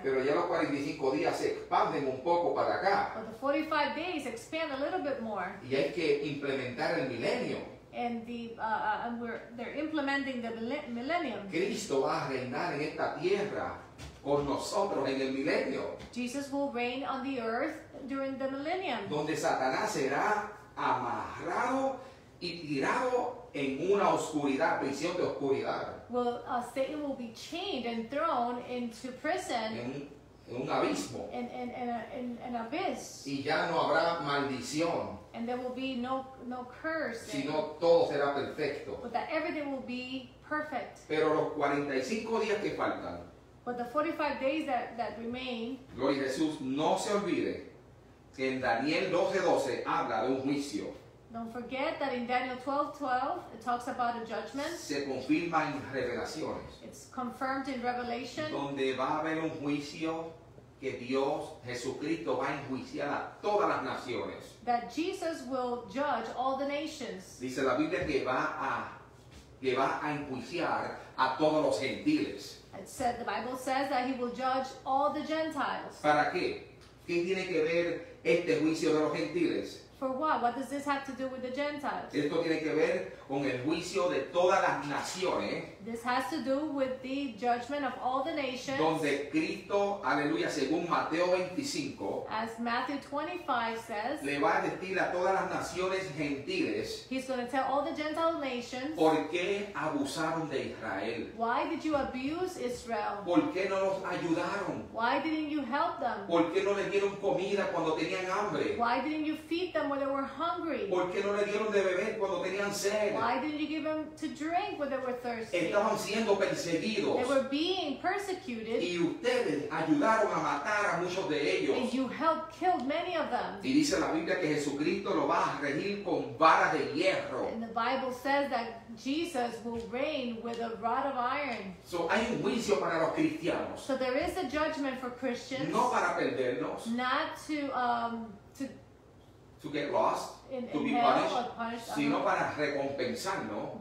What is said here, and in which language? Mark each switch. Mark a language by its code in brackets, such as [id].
[es] Pero ya los 45 días se expanden un poco para acá. [en] But the 45 days expand a little bit more. [es] Y hay que implementar el milenio. [en] And they're implementing the millennium. [es] Cristo va a reinar en esta tierra con nosotros en el milenio. [en] Jesus will reign on the earth during the millennium. [es] Donde Satanás será amarrado y tirado en una oscuridad, prisión de oscuridad. [en] Well, Satan will be chained and thrown into prison. [es] En un abismo. [en] In an abyss. [es] Y ya no habrá maldición. [en] And there will be no curse. [es] Sino todo será perfecto. [en] But that everything will be perfect. [es] Pero los 45 días que faltan. [en] But the 45 days that remain. [es] Gloria a Jesús, no se olvide que en Daniel 12:12 habla de un juicio. [en] Don't forget that in Daniel 12:12 it talks about a judgment. [es] Se confirma en revelaciones. [en] It's confirmed in Revelation. [es] Donde va a haber un juicio que Dios, Jesucristo, va a enjuiciar a todas las naciones. [en] That Jesus will judge all the nations. [es] Dice la Biblia que va a que va a enjuiciar a todos los gentiles. [en] It said, the Bible says that he will judge all the Gentiles. [es] ¿Para qué? ¿Qué tiene que ver este juicio de los gentiles? [en] For what? What does this have to do with the Gentiles? [es] Esto tiene que ver con el juicio de todas las naciones. [en] This has to do with the judgment of all the nations. [es] Donde Cristo, aleluya, según Mateo 25. [en] As Matthew 25 says. [es] Le va a decir a todas las naciones gentiles. [en] He's going to tell all the Gentile nations. [es] ¿Por qué abusaron de Israel? [en] Why did you abuse Israel? [es] ¿Por qué no los ayudaron? [en] Why didn't you help them? [es] ¿Por qué no les dieron comida cuando tenían hambre? [en] Why didn't you feed them when they were hungry? [es] ¿Por qué no le dieron de beber cuando tenían sed? [en] Why didn't you give them to drink when they were thirsty? [es] Estaban siendo perseguidos. [en] They were being persecuted. [es] Y ustedes ayudaron a matar a muchos de ellos. [en] And you helped kill many of them. [es] Y dice la Biblia que Jesucristo lo va a regir con vara de hierro. [en] And the Bible says that Jesus will reign with a rod of iron. [es] So hay un juicio para los cristianos. [en] So there is a judgment for Christians. [es] No para perdernos. [en] Not to to get lost, to be punished, [es] sino para recompensarnos,